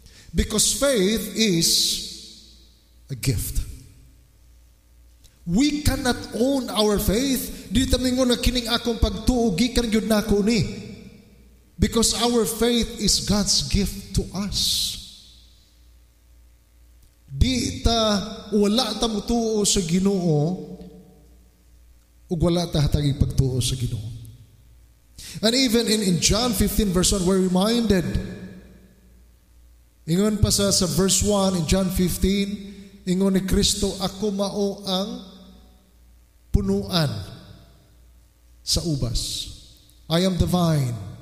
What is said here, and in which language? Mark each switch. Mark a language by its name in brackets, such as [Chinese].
[English] Because faith is a gift. We cannot own our faith. [Cebuano] Dito mingon na kining akong pagtuo gikan gyud nako ni. [English] Because our faith is God's gift to us. [Cebuano] Dita wala ta mutuo sa Ginoo ug wala ta hatag pagtuo sa Ginoo. [English] And even in John 15 verse 1 we're reminded. [Cebuano] Ingon pa sa verse 1 in John 15 ingon ni Kristo, ako mao ang punuan sa ubas. [English] I am the vine.